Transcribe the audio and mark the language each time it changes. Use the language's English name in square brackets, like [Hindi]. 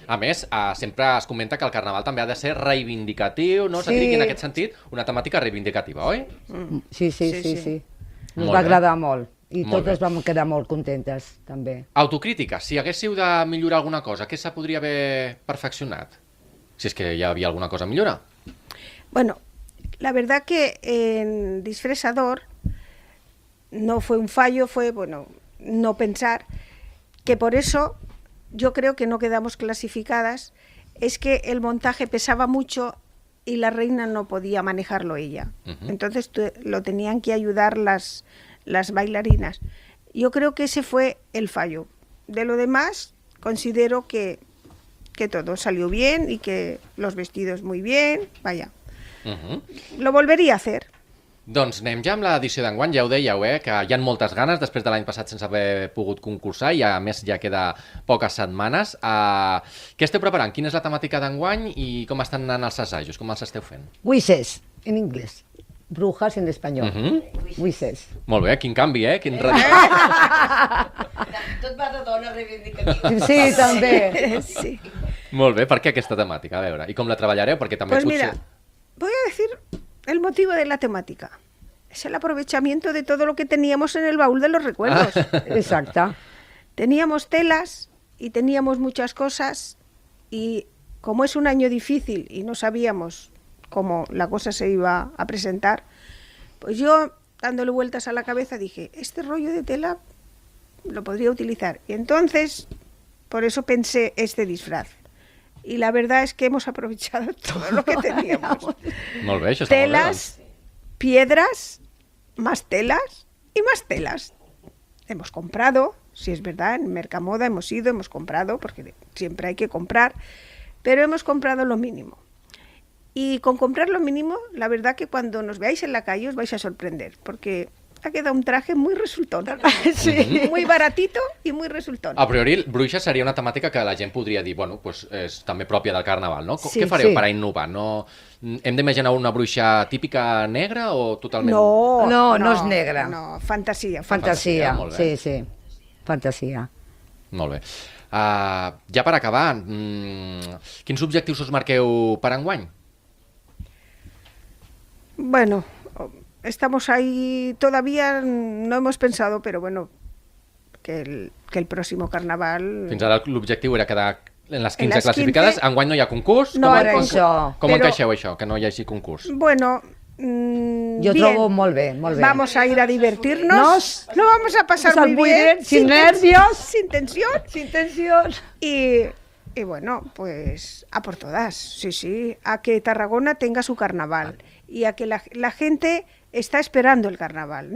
[Catalan] A més, sempre es comenta que el carnaval també ha de ser reivindicatiu, no? S'ha de dir que en aquest sentit, una temàtica reivindicativa, oi? Sí. Ens va agradar molt. I totes vam quedar molt contentes, també. Autocrítica, si haguéssiu de millorar alguna cosa, què se podria haver perfeccionat? Si és que hi havia alguna cosa a millorar. [Spanish] Bueno, la verdad que en Disfresador no fue un fallo, fue, bueno, no pensar, que por eso yo creo que no quedamos clasificadas, es que el montaje pesaba mucho y la reina no podía manejarlo ella. Uh-huh. Entonces lo tenían que ayudar las bailarinas. Yo creo que ese fue el fallo. De lo demás, considero que todo salió bien y que los vestidos muy bien, vaya. Uh-huh. Lo volvería a hacer. [Catalan] Doncs anem ja amb l'edició d'enguany, ja ho dèieu, que hi ha moltes ganes després de l'any passat sense haver pogut concursar i a més ja queda poques setmanes. Què esteu preparant? Quina és la temàtica d'enguany i com estan anant els assajos? Com els esteu fent? [English] Wishes, [Catalan] en anglès. [Spanish] Brujas [Catalan] en espanyol. Uh-huh. Wishes. Molt bé, quin canvi, eh? Quin Tot va de dona reivindicativa. Sí, també. Sí. Molt bé, per què aquesta temàtica? A veure, i com la treballareu? Perquè també [Spanish] pues [Catalan] potser... [Spanish] mira, voy a decir el motivo de la temática. Es el aprovechamiento de todo lo que teníamos en el baúl de los recuerdos. Ah. Exacta. Teníamos telas y teníamos muchas cosas y como es un año difícil y no sabíamos cómo la cosa se iba a presentar, pues yo, dándole vueltas a la cabeza, dije, este rollo de tela lo podría utilizar. Y entonces, por eso pensé este disfraz. Y la verdad es que hemos aprovechado todo lo que teníamos. [Catalan] Molt bé, això [Spanish] està telas, piedras, más telas y más telas. Hemos comprado, si es verdad, en Mercamoda hemos ido, hemos comprado, porque siempre hay que comprar, pero hemos comprado lo mínimo. Y con comprar lo mínimo, la verdad que cuando nos veáis en la calle os vais a sorprender, porque ha quedado un traje muy resultón. Sí. Muy baratito y muy resultón. [Catalan] A priori, bruixa seria una temàtica que la gent podria dir, bueno, pues és també pròpia del carnaval, no? Sí, què fareu per a innovar? No, hem d'imaginar una bruixa típica negra o totalment... No, és negra. No, fantasia. Fantasia, sí, sí. Fantasia. Molt bé. Ja per acabar, quins objectius us marqueu per enguany? [Spanish] Bueno, estamos ahí, todavía no hemos pensado, pero bueno, que el próximo carnaval... [Catalan] Fins ara l'objectiu era quedar en les 15 classificades. Enguany no hi ha concurs. No, com això. Com però... encaixeu això, que no hi hagi concurs? Bueno... Jo trobo molt bé, molt bé. [Spanish] Vamos a ir a divertirnos. No, no vamos a pasar muy bien. Sin nervios. Sin tensión. Sin tensión. Y bueno, pues a por todas. Sí, sí. A que Tarragona tenga su carnaval. Vale. Y a que la gente está esperando el carnaval.